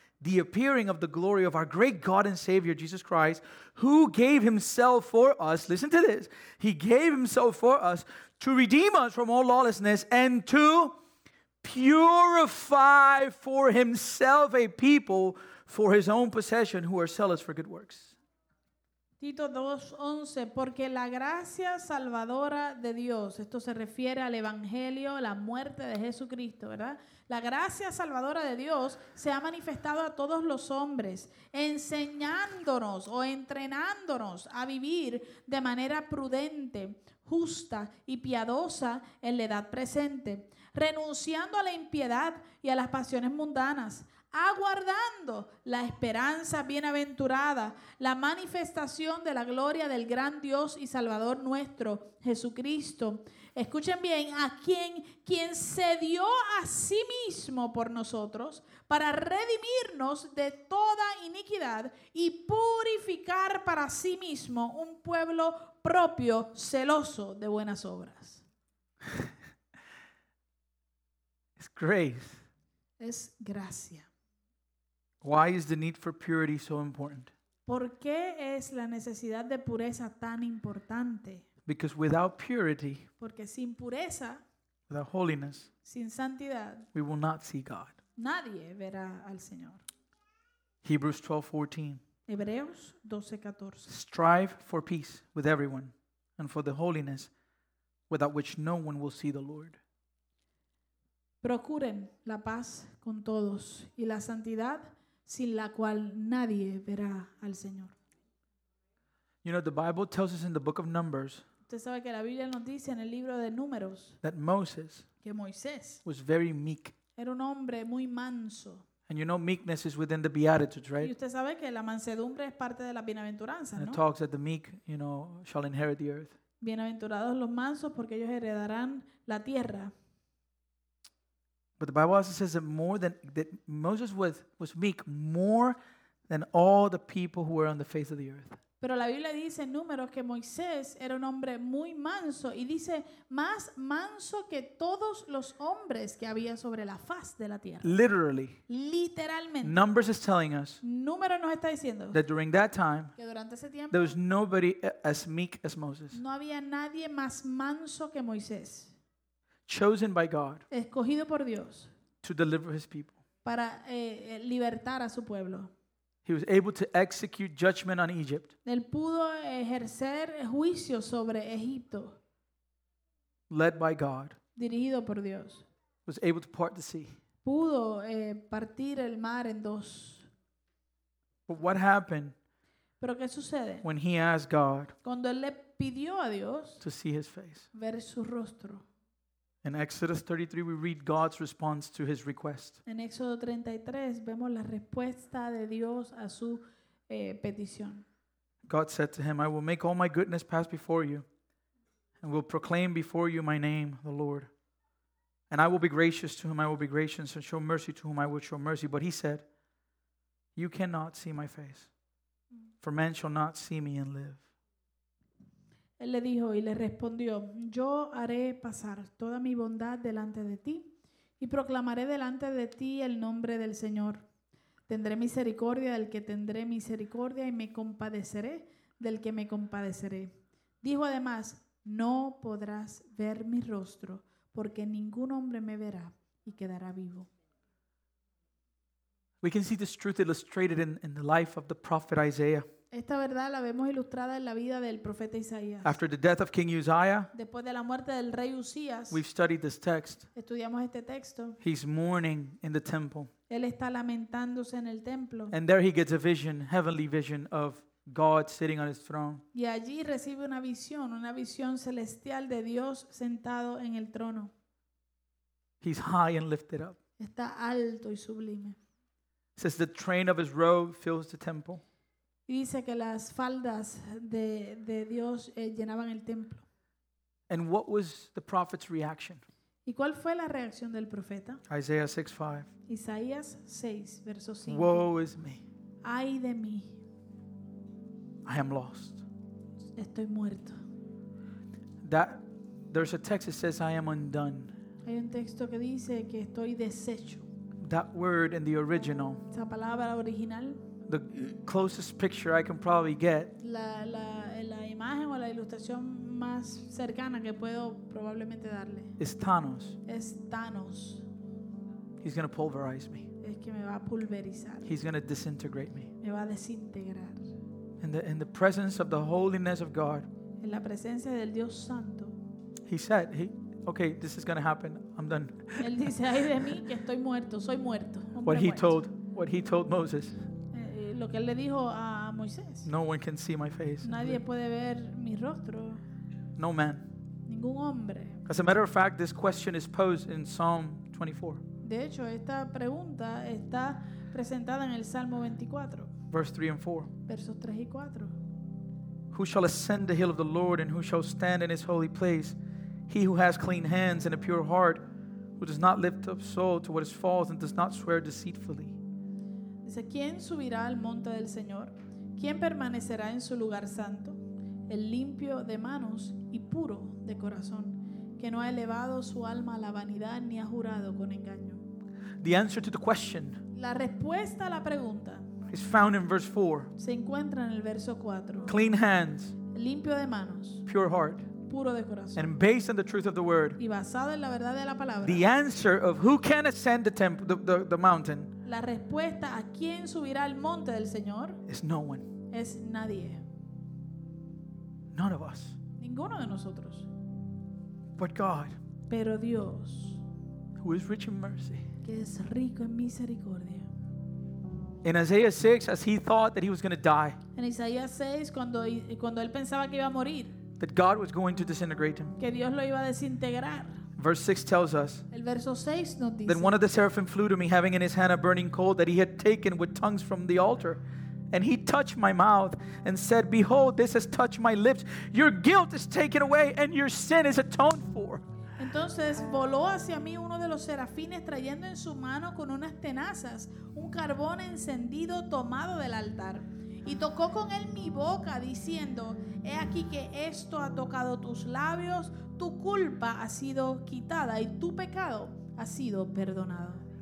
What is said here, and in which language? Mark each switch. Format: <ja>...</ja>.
<en>the appearing of the glory of our great God and Savior, Jesus Christ, who gave himself for us, listen to this, he gave himself for us to redeem us from all lawlessness and to purify for himself a people for his own possession who are zealous for good works.</en> <es>Tito 2:11, porque la gracia salvadora de Dios, esto se refiere al Evangelio, la muerte de Jesucristo, ¿verdad? La gracia salvadora de Dios se ha manifestado a todos los hombres, enseñándonos o entrenándonos a vivir de manera prudente, justa y piadosa en la edad presente, renunciando a la impiedad y a las pasiones mundanas, aguardando la esperanza bienaventurada, la manifestación de la gloria del gran Dios y Salvador nuestro, Jesucristo. Escuchen bien, a quien se dio a sí mismo por nosotros para redimirnos de toda iniquidad y purificar para sí mismo un pueblo propio celoso de buenas obras.</es> <en>It's grace.</en> <es>Es gracia.</es> <en>Why is the need for purity so important?</en> <es>¿Por qué es la necesidad de pureza tan importante?</es> <en>Because without purity,</en> <es>porque sin pureza,</es> <en>without holiness,</en> <es>sin santidad,</es> <en>we will not see God.</en> <es>Nadie verá al Señor.</es> <en>Hebrews 12:14.</en> <es>Hebreos 12:14.</es> <en>Strive for peace with everyone and for the holiness without which no one will see the Lord.</en> <es>Procuren la paz con todos y la santidad sin la cual nadie verá al Señor.</es> <en>You know, the Bible tells us in the book of Numbers,</en> <es>usted sabe que la Biblia nos dice en el libro de Números,</es> <en>that Moses,</en> <es>que Moisés,</es> <en>was very meek.</en> <es>Era un hombre muy manso.</es> <en>And you know, meekness is within the Beatitudes, right?</en> <es>Y usted sabe que la mansedumbre es parte de la bienaventuranza,</es> <en>and</en> <es>¿no?</es> <en>It talks that the meek, you know, shall inherit the earth.</en> <es>Bienaventurados los mansos porque ellos heredarán la tierra.</es> <en>But the Bible also says that more than that, Moses was meek more than all the people who were on the face of the earth.</en> <es>Pero la Biblia dice en Números que Moisés era un hombre muy manso y dice más manso que todos los hombres que había sobre la faz de la tierra.</es> <en>Literally.</en> <es>Literalmente.</es> <en>Numbers is telling us.</en> <es>Números nos está diciendo.</es> <en>That during that time.</en> <es>Que durante ese tiempo.</es> <en>There was nobody as meek as Moses.</en> <es>No había nadie más manso que Moisés.</es> <en>Chosen by God,</en> <es>escogido por Dios,</es> <en>to deliver his people,</en> <es>para libertar a su pueblo.</es> <en>He was able to execute judgment on Egypt.</en> <es>Él pudo ejercer juicio sobre Egipto.</es> <en>Led by God,</en> <es>dirigido por Dios,</es> <en>was able to part the sea.</en> <es>Pudo partir el mar en dos.</es> <en>But what happened?</en> <es>Pero qué sucede?</es> <en>When he asked God,</en> <es>cuando él le pidió a Dios,</es> <en>to see his face,</en> <es>ver su rostro.</es> <en>In Exodus 33, we read God's response to his request.</en> <es>En Éxodo 33 vemos la respuesta de Dios a su petición.</es> <en>God said to him, "I will make all my goodness pass before you, and will proclaim before you my name, the Lord. And I will be gracious to whom I will be gracious, and show mercy to whom I will show mercy." But he said, "You cannot see my face, for man shall not see me and live."</en> <es>Él le dijo y le respondió, yo haré pasar toda mi bondad delante de ti y proclamaré delante de ti el nombre del Señor. Tendré misericordia del que tendré misericordia y me compadeceré del que me compadeceré. Dijo además, no podrás ver mi rostro porque ningún hombre me verá y quedará vivo.</es> <en>We can see this truth illustrated in the life of the prophet Isaiah.</en> <es>Esta verdad la vemos ilustrada en la vida del profeta Isaías.</es> <en>After the death of King Uzziah,</en> <es>después de la muerte del rey Uzías,</es> <en>we've studied this text.</en> <es>Estudiamos este texto.</es> <en>He's mourning in the temple.</en> <es>Él está lamentándose en el templo.</es> <en>And there he gets a vision, heavenly vision of God sitting on his throne.</en> <es>Y allí recibe una visión celestial de Dios sentado en el trono.</es> <en>He's high and lifted up.</en> <es>Está alto y sublime.</es> <en>Says the train of his robe fills the temple.</en> <es>Y dice que las faldas de Dios llenaban el templo.</es> <en>And what was the prophet's reaction?</en> <es>¿Y cuál fue la reacción del profeta?</es> <en>Isaiah 6:5.</en> <es>Isaías 6, verso 5.</es> <en>Woe is me.</en> <es>Ay de mí.</es> <en>I am lost.</en> <es>Estoy muerto.</es> <en>That there's a text that says I am undone.</en> <es>Hay un texto que dice que estoy deshecho.</es> <en>That word in the original.</en> <es>Esa palabra original.</es> <en>The closest picture I can probably get.</en> <es>La imagen o la ilustración más cercana que puedo probablemente darle.</es> <en>Is Thanos.</en> <es>Es Thanos.</es> <en>He's going to pulverize me.</en> <es>Es que me va a pulverizar.</es> <en>He's going to disintegrate me.</en> <es>Me va a desintegrar.</es> <en>In the presence of the holiness of God.</en> <es>En la presencia del Dios Santo.</es> <en>He said, okay, this is going to happen. I'm done.</en> <es>Él dice, ay de mí que estoy muerto, soy muerto.</es> <en>What he told Moses.</en> <es>Lo que él le dijo a Moisés.</es> <en>No one can see my face.</en> <es>Nadie puede ver mi rostro.</es> <en>No man.</en> <es>Ningún hombre.</es> <en>As a matter of fact, this question is posed in Psalm 24.</en> <es>De hecho, esta pregunta está presentada en el Salmo 24.</es> <en>Verses 3 and 4. Who shall ascend the hill of the Lord, and who shall stand in his holy place? He who has clean hands and a pure heart, who does not lift up soul to what is false and does not swear deceitfully.</en> <es>Dice, ¿quién subirá al monte del Señor? ¿Quién permanecerá en su lugar santo? El limpio de manos y puro de corazón, que no ha elevado su alma a la vanidad ni ha jurado con engaño.</es> <en>The answer to the question.</en> <es>La respuesta a la pregunta.</es> <en>Is found in verse 4.</en> <es>Se encuentra en el verso 4.</es> <en>Clean hands.</en> <es>Limpio de manos.</es> <en>Pure heart.</en> <es>Puro de corazón.</es> <en>And based on the truth of the word.</en> <es>Y basado en la verdad de la palabra.</es> <en>The answer of who can ascend the temple, the mountain.</en> <es>La respuesta a quién subirá al monte del Señor.</es> <en>Is no one.</en> <es>Es nadie.</es> <en>None of us.</en> <es>Ninguno de nosotros.</es> <en>But God.</en> <es>Pero Dios.</es> <en>Who is rich in mercy.</en> <es>Que es rico en misericordia.</es> <en>In Isaiah 6, as he thought that he was going to die.</en> <es>En Isaías 6, cuando él pensaba que iba a morir.</es> <en>That God was going to disintegrate him.</en> <es>Que Dios lo iba a desintegrar.</es> <en>Verse 6 tells us.</en> <es>El verso 6 nos dice.</es> <en>Then one of the seraphim flew to me, having in his hand a burning coal that he had taken with tongues from the altar. And he touched my mouth and said, behold, this has touched my lips. Your guilt is taken away and your sin is atoned for.</en> <es>Entonces voló hacia mí uno de los serafines trayendo en su mano con unas tenazas un carbón encendido tomado del altar y tocó con él mi boca diciendo, he aquí que esto ha tocado tus labios, tu culpa ha sido quitada y tu pecado ha sido perdonado.</es>